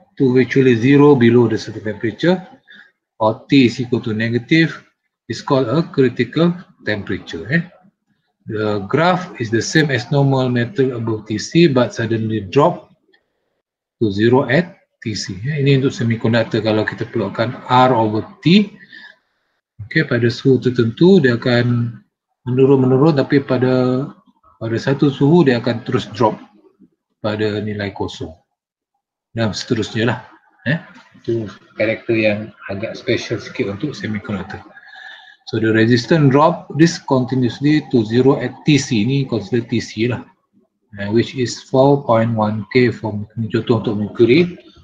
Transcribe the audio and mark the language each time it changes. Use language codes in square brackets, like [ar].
[en] to virtually zero below the surface temperature, or T is equal to negative, is called a critical temperature. Eh? The graph is the same as normal metal above TC, but suddenly drop to zero at TC. Eh? [ms] Ini untuk semiconductor, kalau kita plotkan R over T, okay, pada suhu tertentu dia akan menurun-menurun, tapi pada satu suhu dia akan terus drop pada nilai kosong. Dan seterusnya lah. Eh? Itu karakter yang agak special sikit untuk semiconductor. [en] So the resistance drop discontinuously to zero at TC. [ms] Ini consider TC lah. [en] Which is 4.1K from, [ms] ini contoh untuk mercury.